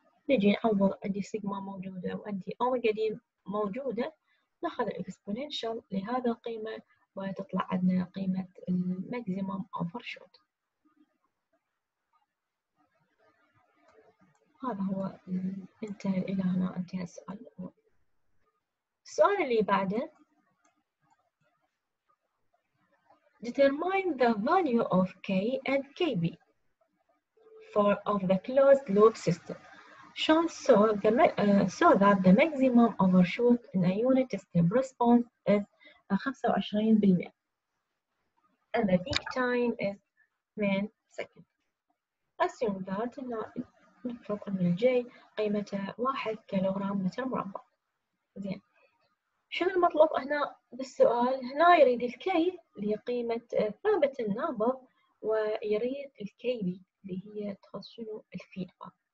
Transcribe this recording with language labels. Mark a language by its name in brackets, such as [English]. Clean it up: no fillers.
[Arabic] نجي نعوض، عندي سيجما موجودة وعندي أوميجا دي موجودة، ناخذ الإكسبونيشال لهذا القيمة وتطلع عندنا قيمة الماكسيمم أوفر شوت. هذا هو انتهى الى هنا، انتهى السؤال. السؤال اللي بعده [English] Determine the value of K and KB for of the closed loop system. Shown so that the maximum overshoot in a unit step response is 25% and the peak time is 10 seconds. Assume that [Arabic] نفرض أن الجي قيمته 1 كيلوغرام متر مربع. زين، شنو المطلوب هنا بالسؤال؟ هنا يريد الكي اللي هي قيمة ثابت النابض، ويريد الكي بي اللي هي تخص شنو الفيدباك.